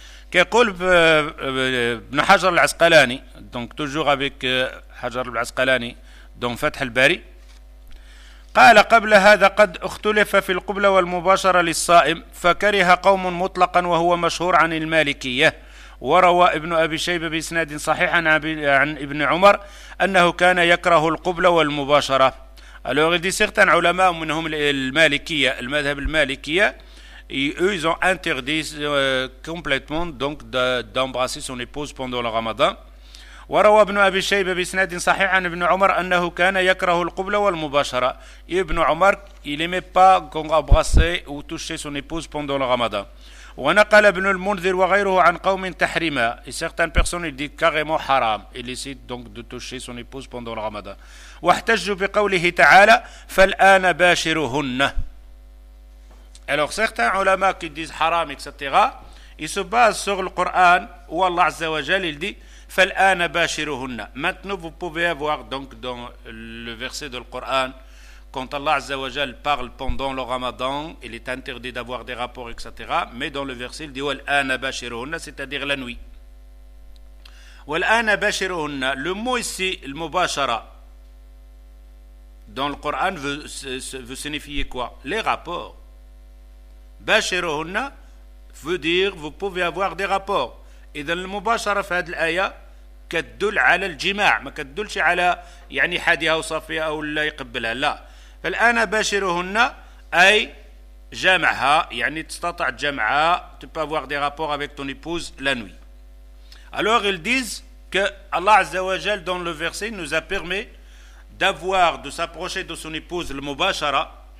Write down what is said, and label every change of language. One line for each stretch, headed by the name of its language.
French: Qu'il dit Ibn Hajar al-Asqalani, donc toujours avec Hajar al-Asqalani, dans Fath al-Bari,
Arabic: قال قبل هذا قد اختلف في القبلة والمباشرة للصائم فكره قوم مطلقا وهو مشهور عن المالكية وروى ابن أبي شيبة بإسناد صحيح عن ابن عمر أنه كان يكره القبلة والمباشرة
French: Alors, il dit certains ulama, le madhhab al-malikiya, ils ont interdit complètement donc d'embrasser son épouse pendant le ramadan.
Arabic: وروى ابن أبي شيبة بسند صحيح عن ابن عمر أنه كان يكره القبلة والمباشرة.
French: ابن عمر il aimait pas qu'on embrasse ou touche son épouse pendant le ramadan.
Arabic: ونقل ابن المنذر وغيره عن قوم تحريما.
French: Certaines personnes disent carrément haram. Il essaie donc de toucher son épouse pendant le ramadan.
Arabic: واحتج بقوله تعالى فالآن باشرهن.
French: Alors certains ulama qui disent haram etc. ils se basent sur le Coran où Allah عز وجل il dit
Arabic: فالآن باشروهن.
French: Maintenant vous pouvez avoir donc dans le verset du Coran quand Allah عز وجل parle pendant le ramadan, il est interdit d'avoir des rapports etc. mais dans le verset il dit
Arabic: والآن باشروهن,
French: c'est-à-dire la nuit. والآن باشروهن, le mot ici المباشرة dans le Coran veut signifier quoi? Les rapports. باشروهن veut dire vous pouvez avoir des rapports. Et dans le Mubashara, dans cette aya,
Arabic: كدل على الجماع, ما كدلش على يعني حاديها وصفية أو لا يقبلها لا. فالآن باشروهن أي جمعها, يعني تستطع جمعها,
French: tu peux avoir des rapports avec ton épouse la nuit. Alors ils disent que Allah عز وجل dans le verset nous a permis d'avoir, de s'approcher de son épouse le Mubashara.